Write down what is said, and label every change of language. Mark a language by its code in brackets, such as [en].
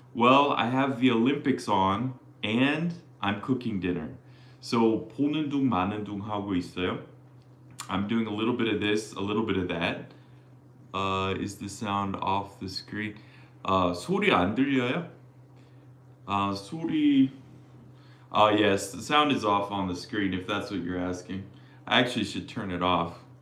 [en] Well, I have the Olympics on and I'm cooking dinner. [ko] So 보는 둥 마는 둥 하고 있어요. [en] I'm doing a little bit of this, a little bit of that. Is the sound off the screen? [ko] 소리 안 들려요? [en] Yes, the sound is off on the screen if that's what you're asking. I actually should turn it off.